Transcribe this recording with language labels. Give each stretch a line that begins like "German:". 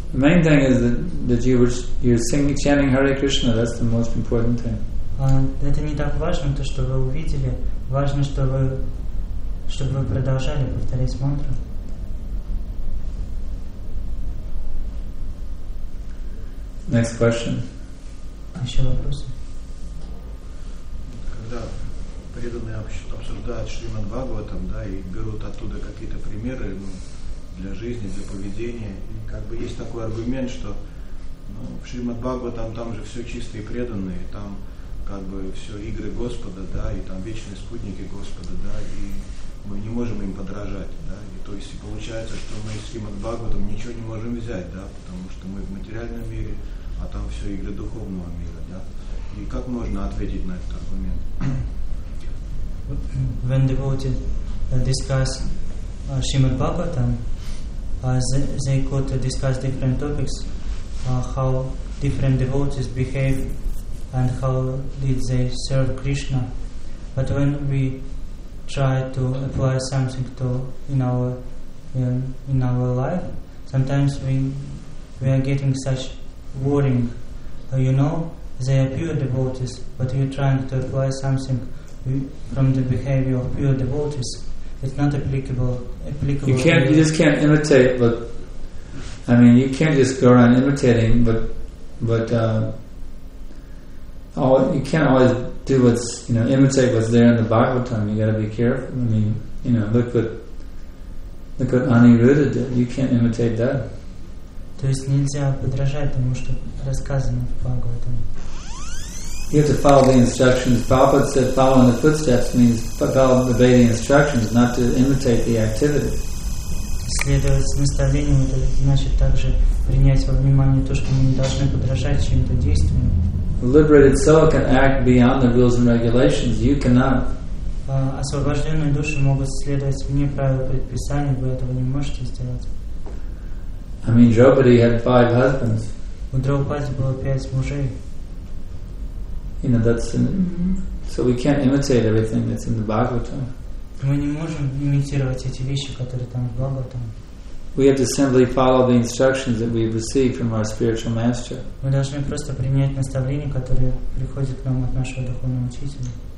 English: The main thing is that you're singing, chanting Hare Krishna. That's the most important thing.
Russian: Это не так важно, то, что вы увидели. Важно, чтобы вы продолжали повторять мантру.
English: Next question.
Russian: Еще вопросы? Когда преданные обсуждают Шримад Бхагаватам, да, и берут оттуда какие-то примеры, ну, для жизни, для поведения, и как бы есть такой аргумент, что, ну, в Шримад Бхагаватам там же все чистые преданные, там как бы все игры Господа, да, и там вечные спутники Господа, да, и мы не можем им подражать, да, и то есть получается, что мы с Шримад Бхагаватам ничего не можем взять, да, потому что мы в материальном мире, а там все игры духовного мира, да, и как можно ответить на этот аргумент?
English: When devotees discuss Shrimad Bhagavatam, they could discuss different topics, how different devotees behave and how did they serve Krishna. But when we try to apply something to in our life, sometimes we are getting such worrying. You know, they are pure devotees, but you're trying to apply something from the behavior of pure devotees, it's not applicable. You can't. You just can't imitate. But I mean, you can't just go around imitating. But you can't always do what's, you know, imitate what's there in the Bhagavatam. You got to be careful. I mean, you know, look what Aniruddha did. You can't imitate that.
Russian: То есть нельзя подражать тому, что рассказано в Бхагаватаме.
English: You have to follow the instructions. Prabhupada said following the footsteps means follow the instructions, not to imitate the activity.
Russian: Следовать наставлениям — это значит также принять во внимание то, что мы не должны подражать чьим-то действиям.
English: Liberated soul can act beyond the rules and regulations. You cannot.
Russian: Освобожденные души могут следовать вне правил предписаний. Вы этого не можете сделать.
English: I mean, Draupadi had 5 husbands.
Russian: У Драупади было 5 мужей.
English: You know, that's so we can't imitate everything that's in the Bhagavatam.
Russian: Мы не можем имитировать эти вещи, которые там в Бхагаватам.
English: We have to simply follow the instructions that we've received from our spiritual master.
Russian: Мы должны просто принять наставления, которые приходят к нам от нашего духовного учителя.